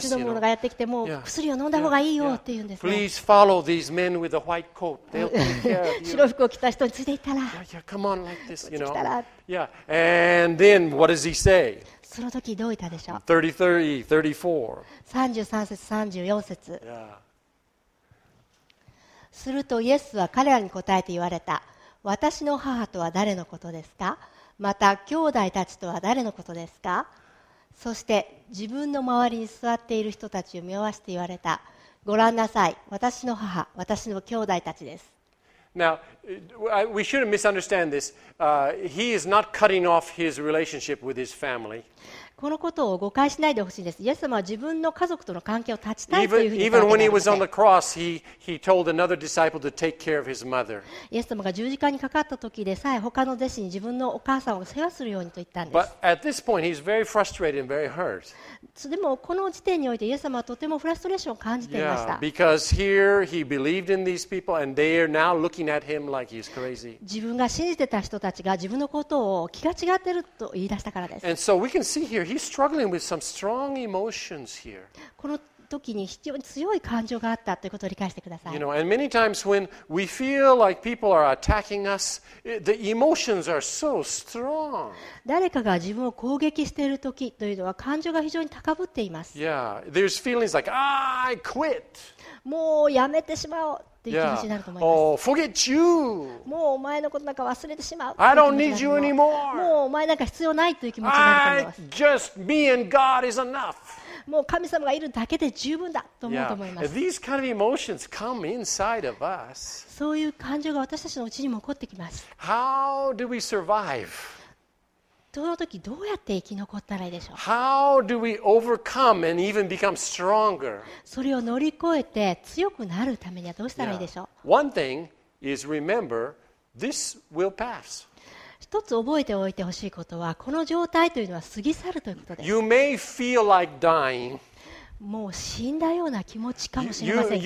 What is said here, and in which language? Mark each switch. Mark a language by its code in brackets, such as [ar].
[ja] そして身内のものがやってきて、もう薬を飲んだ方がいいよって言うんですね。 [en] Please follow these men with the white coat. They'll take care of you. [ja] 白服を着た人についていったら、 [en] come on like this, you know. Yeah. And then what does he say? [ja] その時どういったでしょう。 33節34節。Yeah. するとイエスは彼らに答えて言われた。私の母とは誰のことですか？また兄弟たちとは誰のことですか？そして自分の周りに座っている人たちを見回して言われた。ご覧なさい、私の母、私の兄弟たちです。 [en] Now, we shouldn't misunderstand this. He is not cutting off his relationship with his family. [ja] このことを誤解しないでほしいんです。イエス様は自分の家族との関係を断ちたいというふうに言われて、 [en] Even when he was on the cross, he told another disciple to take care of his mother. [ja] イエス様が十字架にかかった時でさえ他の弟子に自分のお母さんを世話するようにと言ったんです。 [en] But at this point, he's very frustrated and very hurt. [ja] でもこの時点においてイエス様はとてもフラストレーションを感じていました。 [en] Yeah, because here he believed in these people and they are now looking at him like he's crazy. [ja] 自分が信じてた人たちが自分のことを気が違ってると言い出したからです。 [en] And so we can see hereHe's struggling with some strong emotions here. [ja] この時に非常に強い感情があったということを理解してください。 [en] You know, and many times when we feel like people are attacking us, the emotions are so strong. [ja] 誰かが自分を攻撃している時というのは感情が非常に高ぶっています。 [en] Yeah, there's feelings like, I quit. [ja] もうやめてしまおう。Yeah. [en] Oh, forget you. [ja] もうお前のことなんか忘れてしまう。 [en] I don't need you anymore. [ja] もうお前なんか必要ないという気持ちになると思います。 [en] I just me and God is enough. [ja] もう神様がいるだけで十分だと思うと思います。 [en] Yeah. These kind of emotions come inside of us. [ja] そういう感情が私たちのうちにも起こってきます。 [en] How do we survive? [ja] その時どうやって生き残ったらいいでしょう。 [en] How do we overcome and even become stronger? [ja] それを乗り越えて強くなるためにはどうしたらいいでしょう。 [en] Yeah. One thing is remember, this will pass. [ja] 一つ覚えておいてほしいことは、この状態というのは過ぎ去るということです。 [en] You may feel like dying. [ja] もう死んだような気持ちかもしれませんけ